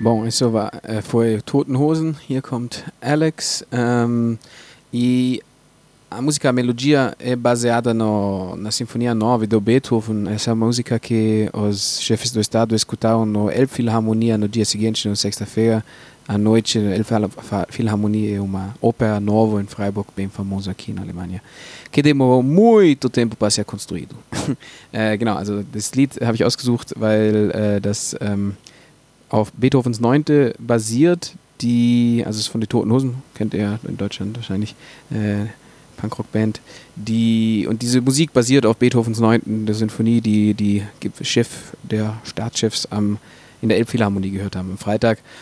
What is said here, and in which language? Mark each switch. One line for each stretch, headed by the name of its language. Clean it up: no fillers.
German: So war vor Toten Hosen, hier kommt Alex.
Portuguese: E a música, a melodia é baseada no, na Sinfonia 9 do Beethoven, essa música que os chefes do Estado escutaram no Elbphilharmonia no dia seguinte, na sexta-feira, à noite, Philharmonie é uma ópera nova em Freiburg, bem famosa aqui na Alemanha, que demorou muito tempo para ser construído.
German: genau, also das Lied habe ich ausgesucht, weil das auf Beethovens 9. basiert, die, also es ist von den Toten Hosen, kennt ihr in Deutschland wahrscheinlich, Punkrock-Band, die, und diese Musik basiert auf Beethovens 9. der Sinfonie, die Chef der Staatschefs am in der Elbphilharmonie gehört haben am Freitag.